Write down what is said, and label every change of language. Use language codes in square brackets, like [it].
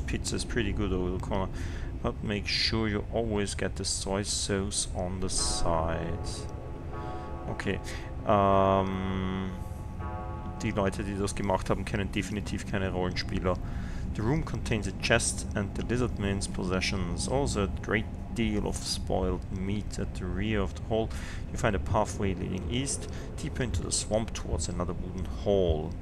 [en] Is pretty good over the corner, but make sure you always get the soy sauce on the side. [de] Okay, die Leute, die das gemacht haben, kennen definitiv keine Rollenspieler. [en] The room contains a chest and the lizardman's possessions. Also a great deal of spoiled meat at the rear of the hall. You find a pathway leading east, deeper into the swamp towards another wooden hall.